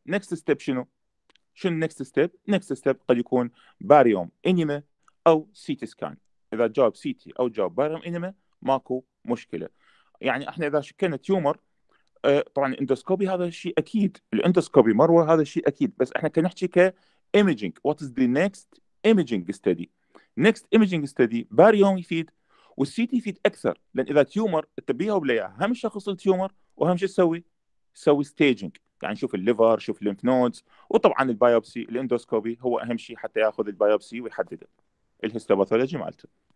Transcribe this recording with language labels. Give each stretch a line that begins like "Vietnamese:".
Arabic: نيكست ستيب شنو؟ شنو النيكست ستيب؟ نيكست ستيب قد يكون باريوم انيما او سي تي سكان. اذا جاوب سي تي او جاوب باريوم انيما ماكو مشكله. يعني احنا اذا شكينا تيومر طبعا الاندوسكوبي هذا الشيء اكيد، الاندوسكوبي مروه هذا الشيء اكيد، بس احنا كنحكي ك imaging.
English: What is the next imaging study? Next imaging study
Arabic: باريوم يفيد والسي تي يفيد أكثر، لأن إذا تيومر تبيها وبليها هم شخص التيومر وهم شو تسوي؟ تسوي staging، يعني شوف الليفر، شوف الليمف نودز، وطبعا البيوبسي الاندوسكوبي هو أهم شيء حتى يأخذ البيوبسي ويحدد الهستوباثولوجي مالته.